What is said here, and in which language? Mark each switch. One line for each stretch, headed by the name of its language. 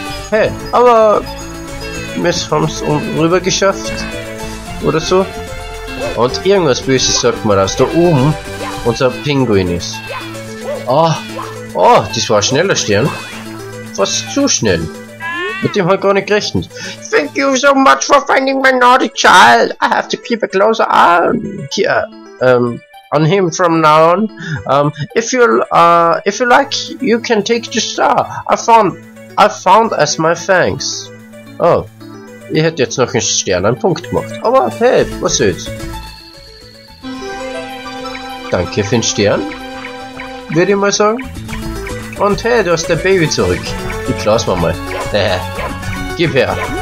German: Hey, aber wir haben es rüber geschafft. Oder so. Und irgendwas Böses sagt mir, dass da oben unser Pinguin ist. Oh, das war ein schneller Stern. Fast zu schnell. Mit dem hat gar nicht gerechnet.
English: Thank you so much for finding my naughty child. I have to keep a closer eye on here. On him from now on. If you like, you can take the star. I found as my thanks.
German: Oh, ich hätte jetzt noch einen Stern, einen Punkt gemacht. Aber hey, was soll's? Danke für den Stern, würde ich mal sagen. Und hey, du hast dein Baby zurück. Ich klaus mal. Gib her.